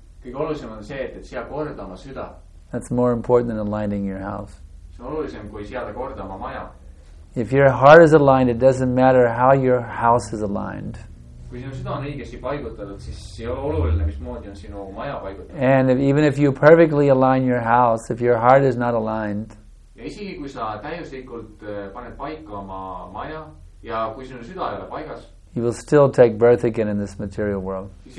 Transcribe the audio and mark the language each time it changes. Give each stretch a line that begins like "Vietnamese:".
Estonian: Kõige olulisem on see, et sea korda oma süda.
English: That's more important than aligning your house.
Estonian: See on olulisem kui seada korda oma maja.
English: If your heart is aligned, it doesn't matter how your house is aligned.
Estonian: Kui sinu süda on õigesti paigutatud, siis ei ole oluline, mis moodi on sinu maja paigutatud.
English: And even if you perfectly align your house, if your heart is not aligned,
Estonian: ja isegi kui sa täiuslikult paned paika oma maja ja kui sinu süda ei ole paigas,
English: you will still take birth again in this material world.